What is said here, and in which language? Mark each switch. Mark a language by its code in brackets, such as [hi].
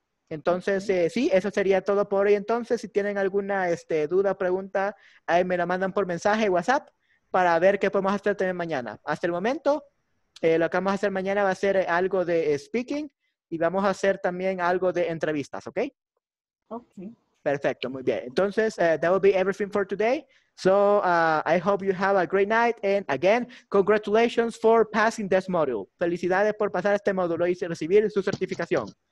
[es] Entonces, sí, eso sería todo por hoy. Entonces, si tienen alguna duda o pregunta, ahí me la mandan por mensaje, WhatsApp, para ver qué podemos hacer también mañana. Hasta el momento, lo que vamos a hacer mañana va a ser algo de speaking y vamos a hacer también algo de entrevistas, ¿ok? Ok. Perfecto, muy bien. Entonces, [en] that will be everything for today. So, I hope you have a great night. And again, congratulations for passing this module. [es] Felicidades por pasar este módulo y recibir su certificación.